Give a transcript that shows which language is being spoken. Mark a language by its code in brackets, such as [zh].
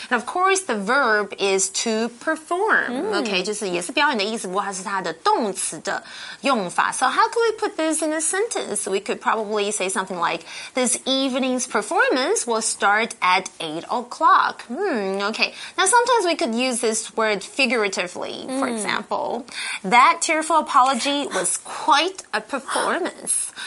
[en] And of course, the verb is to perform, okay? [zh] 就是也是表演的意思,不过它是它的动词的用法。 [en] So how can we put this in a sentence? We could probably say something like, this evening's performance will start at 8 o'clock. Okay, now sometimes we could use this word figuratively, for example. That tearful apology was quite a performance.